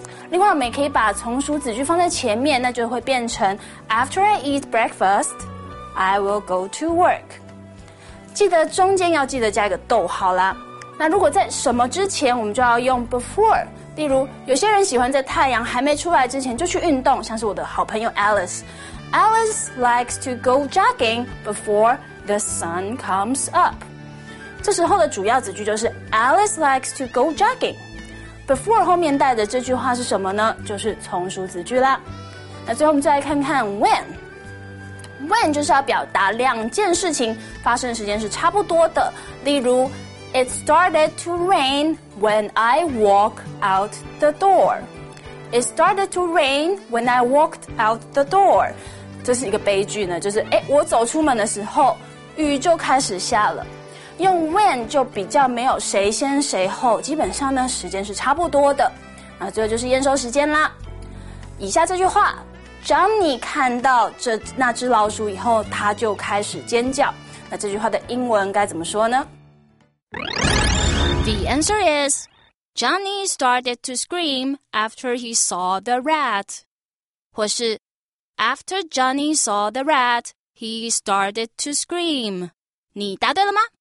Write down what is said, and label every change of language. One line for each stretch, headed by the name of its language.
Chinese: 另外我们也可以把从属子句放在前面，那就会变成
English: after I eat breakfast I will go to work，
Chinese: 记得中间要记得加一个逗号啦。那如果在什么之前，我们就要用 before。例如有些人喜欢在太阳还没出来之前就去运动，像是我的好朋友 Alice。
English: Alice likes to go jogging before the sun comes up。
Chinese: 这时候的主要子句就是
English: Alice likes to go jogging。
Chinese: before 后面带的这句话是什么呢？就是从属子句啦。那最后我们就来看看 when。When 就是要表达两件事情发生时间是差不多的，例如
English: It started to rain when I walked out the door. It started to rain when I walked out the door.
Chinese: 这是一个悲剧呢，就是我走出门的时候雨就开始下了。用 when 就比较没有谁先谁后，基本上呢时间是差不多的。那最后就是验收时间啦。以下这句话，Johnny 看到那只老鼠以后，他就开始尖叫。那这句话的英文该怎么说呢？
English: The answer is, Johnny started to scream after he saw the rat.
Chinese: 或是
English: After Johnny saw the rat, he started to scream.
Chinese: 你答对了吗？